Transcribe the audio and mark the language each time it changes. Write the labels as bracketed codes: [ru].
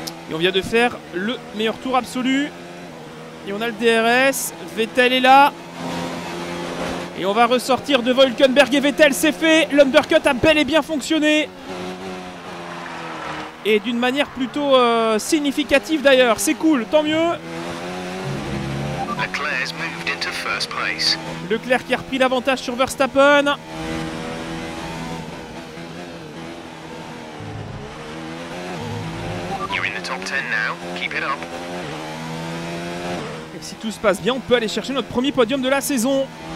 [fr] Et on vient de faire le meilleur tour absolu. Et on a le DRS, Vettel est là. Et on va ressortir devant Hülkenberg et Vettel, c'est fait. L'undercut a bel et bien fonctionné. Et d'une manière plutôt significative d'ailleurs. C'est cool, tant mieux. [en] Leclerc's moved into first place. [fr] Leclerc qui a repris l'avantage sur Verstappen. [en] You're in the top 10 now. Keep it up. [fr] Et si tout se passe bien, on peut aller chercher notre premier podium de la saison.